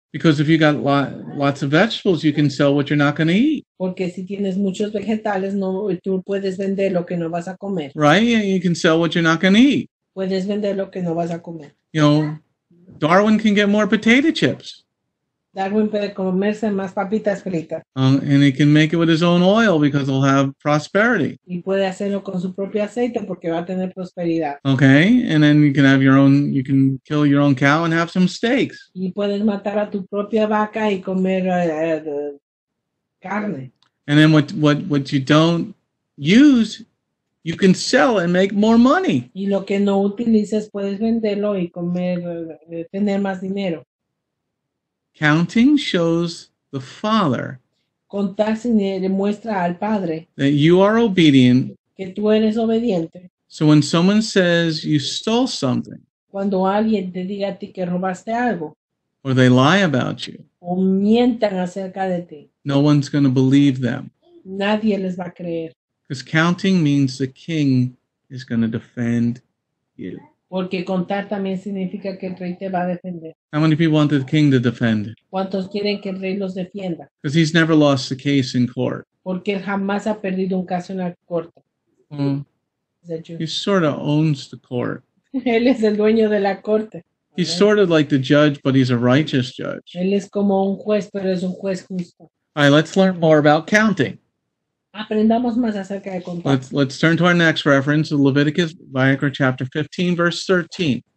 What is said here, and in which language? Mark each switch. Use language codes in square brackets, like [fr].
[en] Because if you got lots of vegetables, you can sell what you're not going to eat. [es] Porque si tienes muchos vegetales, no, tú puedes vender lo que no vas a comer. [en] Right? You can sell what you're not going to eat. [es] Puedes vender lo que no vas a comer. [en] You know, Darwin can get more potato chips. [es] Darwin puede comerse más papitas fritas. [en] And he can make it with his own oil because he'll have prosperity. [es] Y puede hacerlo con su propio aceite porque va a tener prosperidad. [en] Okay, and then you can have your own, you can kill your own cow and have some steaks. [es] Y puedes matar a tu propia vaca y comer carne. [en] And then what you don't use, you can sell and make more money. [es] Y lo que no utilices puedes venderlo y comer, tener más dinero. [en] Counting shows the Father [es] muestra al Padre [en] that you are obedient. [es] Que tú eres obediente. [en] So when someone says you stole something, [es] cuando alguien te diga a ti que robaste algo, [en] or they lie about you, [es] o mientan acerca de ti, [en] no one's going to believe them. [es] Nadie les va a creer. [en] Because counting means the king is going to defend you. [es] Porque contar también significa que el rey te va a defender. [en] How many people want the king to defend? [es] ¿Cuántos quieren que el rey los defienda? [en] Because he's never lost a case in court. [es] Porque él jamás ha perdido un caso en la corte. [en] Mm. He sort of owns the court. [es] Él es el dueño de la corte. [en] He's sort of like the judge, but he's a righteous judge. [es] Él es como un juez, pero es un juez justo. [en] All right, let's learn more about counting. [es] Aprendamos más acerca de contar. [en] Let's turn to our next reference, Leviticus, Viacra, chapter 15, verse 13.